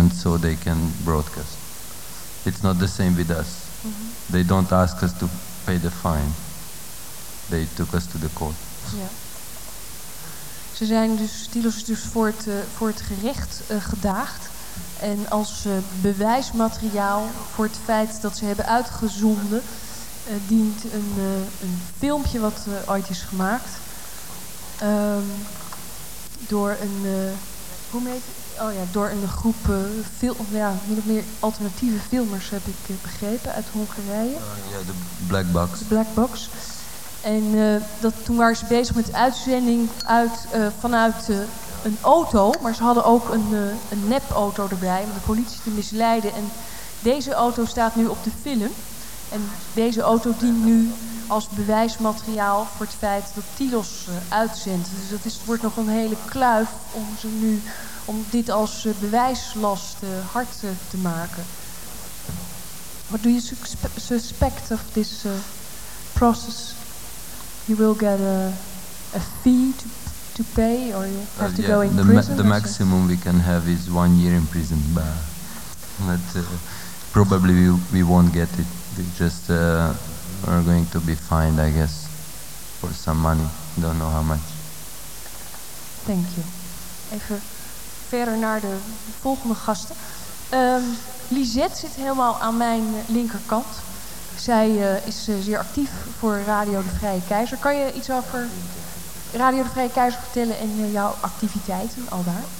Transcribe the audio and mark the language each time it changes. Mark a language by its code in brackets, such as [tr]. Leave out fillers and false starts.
[en] and so they can broadcast. It's not the same with us. Mm-hmm. They don't ask us to pay the fine. They took us to the court. [nl] Ja. Ze zijn dus, Tilos is dus voor het gerecht gedaagd. En als bewijsmateriaal voor het feit dat ze hebben uitgezonden, dient een filmpje wat ooit is gemaakt. Door een. Hoe heet het? Oh ja, door een groep min of meer alternatieve filmers, heb ik begrepen, uit Hongarije. Ja, de Black Box. De Black Box. En dat toen waren ze bezig met uitzending vanuit een auto, maar ze hadden ook een nepauto erbij om de politie te misleiden. En deze auto staat nu op de film en deze auto dient nu als bewijsmateriaal voor het feit dat Tilos uitzendt. Dus het wordt nog een hele kluif om dit als bewijslast hard te maken. [en] What do you suspect of this process? You will get a fee to pay, or you have to go in the prison? The maximum we can have is 1 year in prison, but probably we won't get it. We just are going to be fined, I guess, for some money. Don't know how much. Thank you. [nl] Even verder naar de volgende gasten. Lisette zit helemaal aan mijn linkerkant. Zij is zeer actief voor Radio de Vrije Keizer. Kan je iets over Radio de Vrije Keizer vertellen en jouw activiteiten al daar?